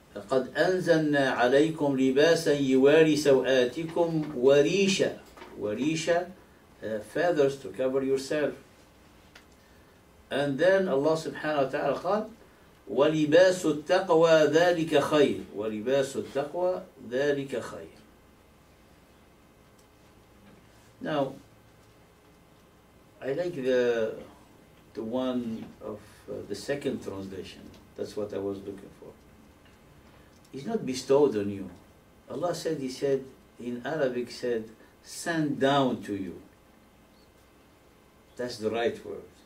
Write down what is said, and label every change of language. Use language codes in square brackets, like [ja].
[ar] قد أنزلنا عليكم لباسا يواري سوآتكم وريشة. [en] وريشة feathers to cover yourself. And then Allah subhanahu wa ta'ala [ar] قال ولباس التقوى ذلك خير ولباس التقوى ذلك خير. [en] Now I like the one of the second translation. That's what I was looking for. It's not bestowed on you. Allah said, he said in Arabic, said sent down to you. That's the right word.